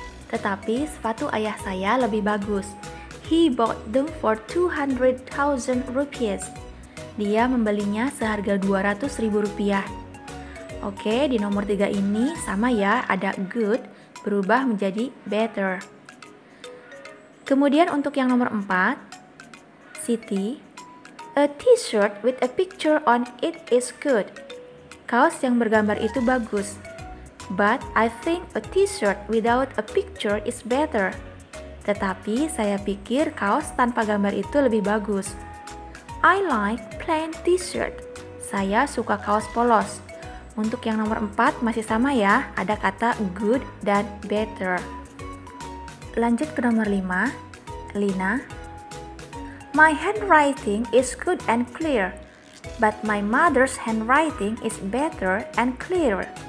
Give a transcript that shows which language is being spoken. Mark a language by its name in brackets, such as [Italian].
[Indonesian] Tetapi sepatu ayah saya lebih bagus. [English] He bought them for 200,000 rupiah. [Indonesian] Dia membelinya seharga 200 ribu rupiah. Oke, di nomor 3 ini sama ya, ada good berubah menjadi better. Kemudian untuk yang nomor 4, Siti. [English] A t-shirt with a picture on it is good. [Indonesian] Kaos yang bergambar itu bagus. [English] But I think a t-shirt without a picture is better. [Indonesian] Tetapi saya pikir kaos tanpa gambar itu lebih bagus. [English] I like plain t-shirt. [Indonesian] Saya suka kaos polos. Untuk yang nomor 4 masih sama ya, ada kata good dan better. Lanjut ke nomor 5, Lina. [English] My handwriting is good and clear, but my mother's handwriting is better and clear.